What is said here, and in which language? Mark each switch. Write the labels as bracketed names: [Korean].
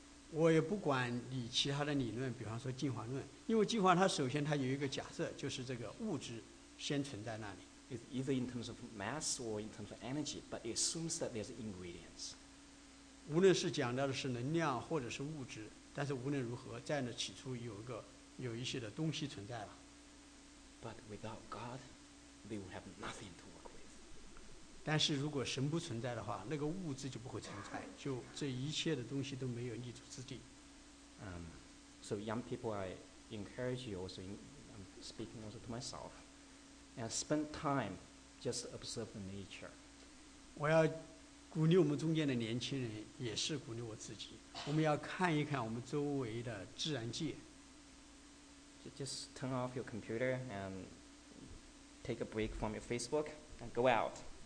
[Chinese] 我也不管你其他的理论，比方说进化论，因为进化它首先它有一个假设，就是这个物质先存在那里。 [English] It's either in terms of mass or in terms of energy, but it assumes that there's ingredients. [Chinese] 无论是讲到的是能量或者是物质，但是无论如何，在那起初有一些的东西存在了。 [English] But without God, they would have nothing to work with. [Chinese] 但是如果神不存在的话，那个物质就不会存在，就这一切的东西都没有立足之地。 [English] So young people, I encourage you also, I'm speaking also to myself, and spend time just observe the nature. [Chinese] 我要。鼓励我们中间的年轻人，也是鼓励我自己。我们要看一看我们周围的自然界。 [English] Just turn off your computer and take a break from your Facebook and go out.